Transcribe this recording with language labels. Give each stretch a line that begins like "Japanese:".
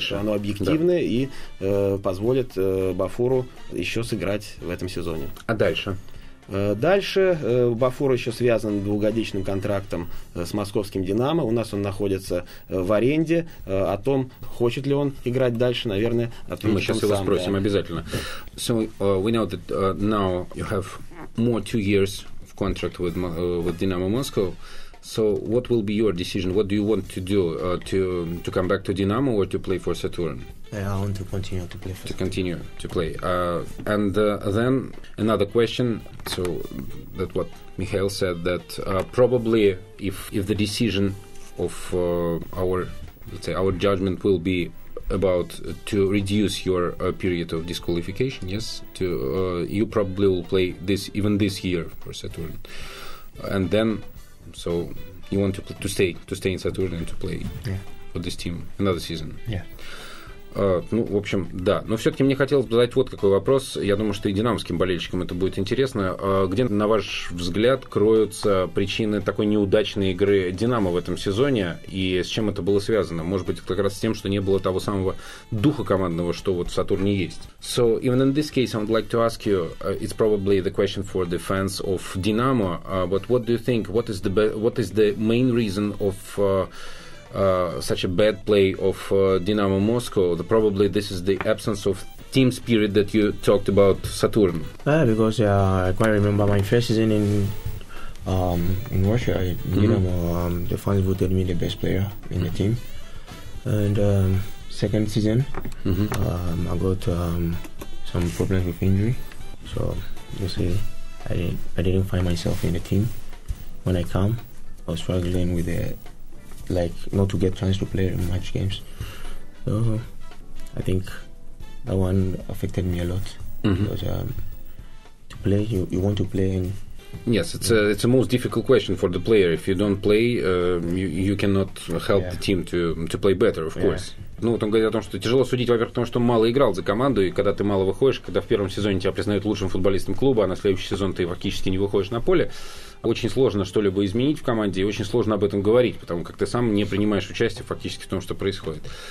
Russian: что оно объективное, да, и позволит Бафуру еще сыграть в этом сезоне. А дальше? Дальше Бафур еще связан двухгодичным контрактом с московским «Динамо». У нас он находится в аренде. О том, хочет ли он играть дальше, наверное, ответим. Мы сейчас его спросим обязательно.
English: So we know that now you have more 2 years of contract with Dynamo Moscow. So what will be your decision? What do you want to do? To come back to Dynamo or to play for Saturn? I want to continue to play. To continue to play. And then another question. So that what Mikhail said, that probably if the decision of our, let's say, our judgment will be about to reduce your period of disqualification, yes, to you probably will play this year for Saturn, and then. So you want to stay in Saturn and to play for this team another season? Yeah.
Russian: Ну, в общем, да. Но все-таки мне хотелось бы задать вот какой вопрос. Я думаю, что и динамовским болельщикам это будет интересно. Где, на ваш взгляд, кроются причины такой неудачной игры «Динамо» в этом сезоне? И с чем это было связано? Может быть, как раз с тем, что не было того самого духа командного, что вот в «Сатурне» есть?
English: So, even in this case, I would like to ask you, it's probably the question for the fans of «Динамо», but what do you think, what is the main reason of... such a bad play of Dynamo Moscow, probably this is the absence of team spirit that you talked about, Saturn. Because I quite remember my first season in Russia, Dynamo, the fans voted me the best player in the team. And second season, I got some problems with injury. So, you see, I didn't find myself in the team. When I come, I was struggling with it, like, not to get chance to play much games. So, I think that one affected me a lot. Because to play, you want to play. And yes, it's a most difficult question for the player. If you don't play, you cannot help the team to play better, of course.
Russian: Ну, вот он говорит о том, что тяжело судить, во-первых, потому что он мало играл за команду, и когда ты мало выходишь, когда в первом сезоне тебя признают лучшим футболистом клуба, а на следующий сезон ты фактически не выходишь на поле, очень сложно что-либо изменить в команде, и очень сложно об этом говорить, потому как ты сам не принимаешь участие фактически в том, что происходит.